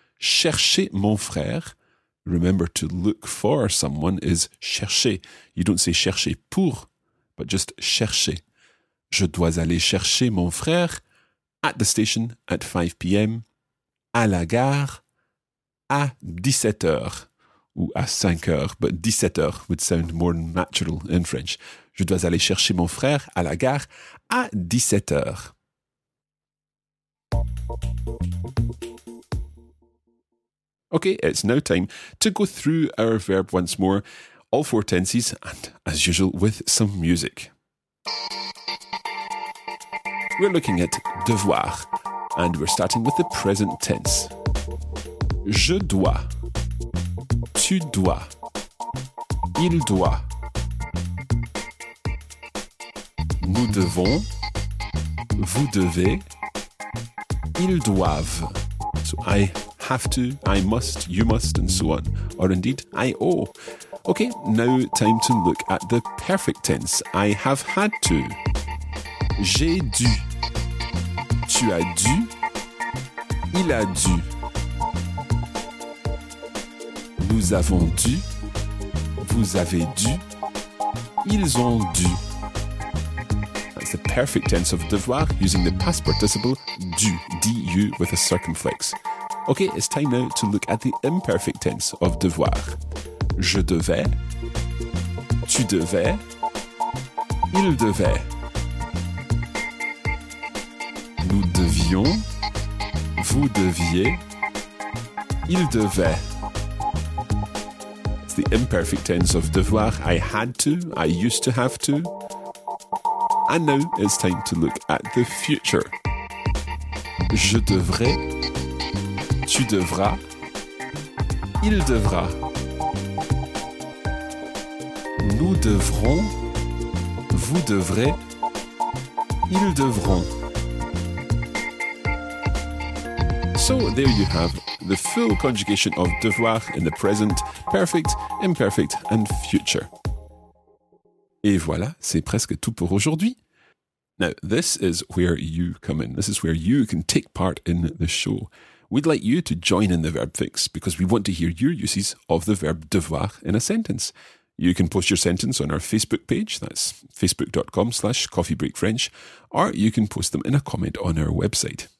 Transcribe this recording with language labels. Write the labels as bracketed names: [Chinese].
[French] Chercher mon frère, [English] remember to look for someone is chercher. You don't say chercher pour, but just chercher. [French] Je dois aller chercher mon frère. [English] At the station at 5 p.m, [French] à la gare à 17h, ou à 5h, [English] but 17h would sound more natural in French. [French] Je dois aller chercher mon frère à la gare à 17h. [English] Okay, it's now time to go through our verb once more, all four tenses, and as usual, with some music. We're looking at devoir, and we're starting with the present tense. [French] Je dois. Tu dois. Il doit. Nous devons. Vous devez. Ils doivent. [English] So I have to, I must, you must, and so on. Or indeed, I owe. Okay, now time to look at the perfect tense. I have had to. [French] J'ai dû. Tu as dû, il a dû, nous avons dû, vous avez dû, ils ont dû. [English] That's the perfect tense of devoir using the past participle dû, D-U with a circumflex. Okay, it's time now to look at the imperfect tense of devoir. [French] Je devais, tu devais, il devait. Nous devions, vous deviez, il devait. [English] It's the imperfect tense of devoir. I had to, I used to have to. And now it's time to look at the future. [French] Je devrais, tu devras, il devra. Nous devrons, vous devrez, ils devront. [English] So there you have the full conjugation of devoir in the present, perfect, imperfect, and future. [French] Et voilà, c'est presque tout pour aujourd'hui. [English] Now, this is where you come in. This is where you can take part in the show. We'd like you to join in the verb fix because we want to hear your uses of the verb devoir in a sentence. You can post your sentence on our Facebook page, that's facebook.com/coffeebreakfrench, or you can post them in a comment on our website.